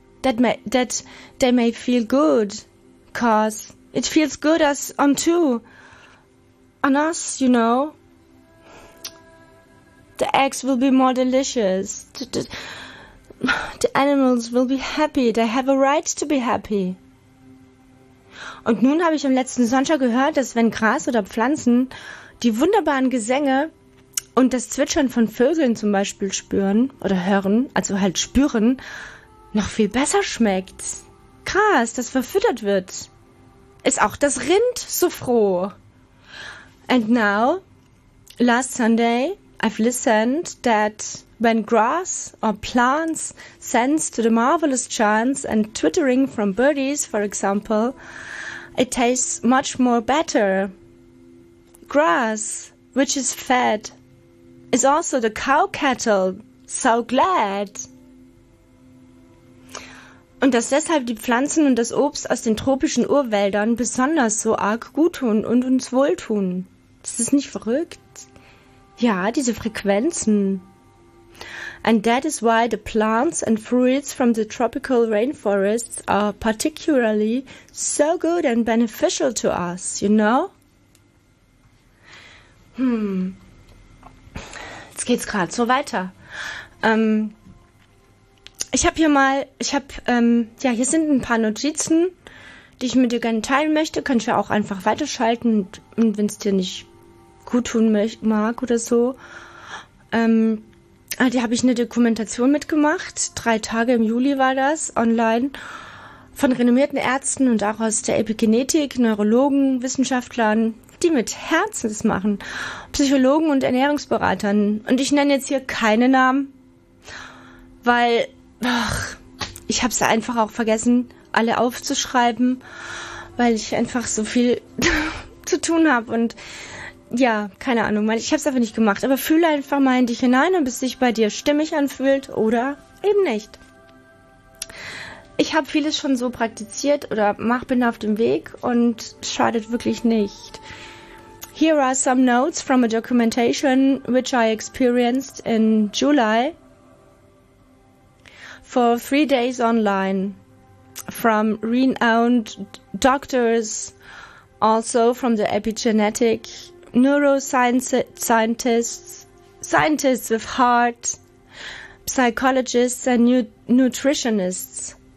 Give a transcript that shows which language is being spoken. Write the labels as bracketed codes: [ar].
[en] That they may feel good, 'cause it feels good as on too, on us, you know. The eggs will be more delicious. The animals will be happy. They have a right to be happy. [de] Und nun habe ich am letzten Sonntag gehört, dass wenn Gras oder Pflanzen die wunderbaren Gesänge und das Zwitschern von Vögeln zum Beispiel spüren oder hören, also halt spüren, noch viel besser schmeckt. Krass, dass verfüttert wird. Ist auch das Rind so froh. [en] And now, last Sunday, I've listened that when grass or plants sense to the marvelous chants and twittering from birdies, for example, it tastes much more better. Grass, which is fed, is also the cow cattle so glad. [de] Und dass deshalb die Pflanzen und das Obst aus den tropischen Urwäldern besonders so arg gut tun und uns wohltun. Das ist nicht verrückt? Ja, diese Frequenzen. [en] And that is why the plants and fruits from the tropical rainforests are particularly so good and beneficial to us, you know? [de] Jetzt geht's gerade so weiter. Hier sind ein paar Notizen, die ich mit dir gerne teilen möchte. Könntest du auch einfach weiterschalten, wenn es dir nicht gut tun mag oder so. Die habe ich eine Dokumentation mitgemacht. 3 Tage im Juli war das, online, von renommierten Ärzten und auch aus der Epigenetik, Neurologen, Wissenschaftlern, die mit Herzen das machen, Psychologen und Ernährungsberatern. Und ich nenne jetzt hier keine Namen, weil... Ach, ich habe es einfach auch vergessen, alle aufzuschreiben, weil ich einfach so viel zu tun habe. Und ja, keine Ahnung, ich habe es einfach nicht gemacht. Aber fühle einfach mal in dich hinein, ob es sich bei dir stimmig anfühlt oder eben nicht. Ich habe vieles schon so praktiziert oder bin auf dem Weg und schadet wirklich nicht. [en] Here are some notes from a documentation which I experienced in July. For 3 days online, from renowned doctors, also from the epigenetic neuroscientists with heart, psychologists and nutritionists.